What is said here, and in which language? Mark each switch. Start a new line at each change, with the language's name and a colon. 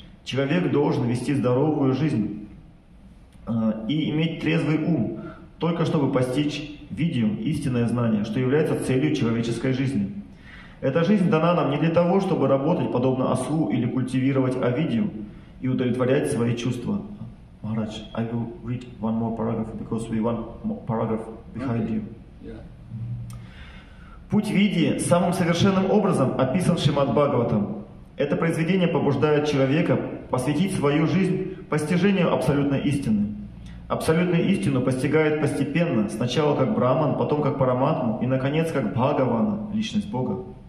Russian: Человек должен вести здоровую жизнь и иметь трезвый ум, только чтобы постичь видим истинное знание, что является целью человеческой жизни. Эта жизнь дана нам не для того, чтобы работать подобно ослу или культивировать авидию и удовлетворять свои чувства.
English: Maharaj, I will read one more paragraph, because we one more paragraph behind you.
Russian: Путь видии самым совершенным образом описан Шримад Бхагаватам. Это произведение побуждает человека посвятить свою жизнь постижению абсолютной истины. Абсолютную истину постигает постепенно, сначала как Брахман, потом как Параматма и, наконец, как Бхагавана, Личность Бога.